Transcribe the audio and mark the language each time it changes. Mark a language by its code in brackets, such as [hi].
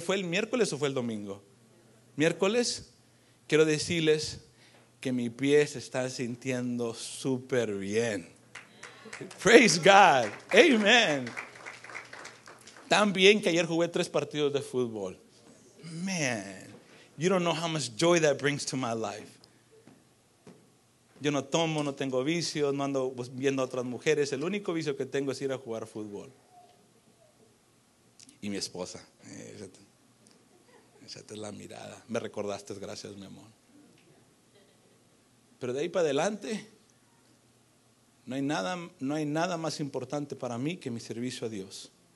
[es] ¿Fue el miércoles o fue el domingo? Miércoles. Quiero decirles que mi pie se está sintiendo súper bien. [en] Praise God. Amen. [es] Tan bien que ayer jugué 3 partidos de fútbol. [en] Man, you don't know how much joy that brings to my life. [es] Yo no tomo, no tengo vicios, no ando viendo a otras mujeres. El único vicio que tengo es ir a jugar fútbol. Y mi esposa. Esa es la mirada. Me recordaste, gracias, mi amor. Pero de ahí para adelante, no hay nada más importante para mí que mi servicio a Dios.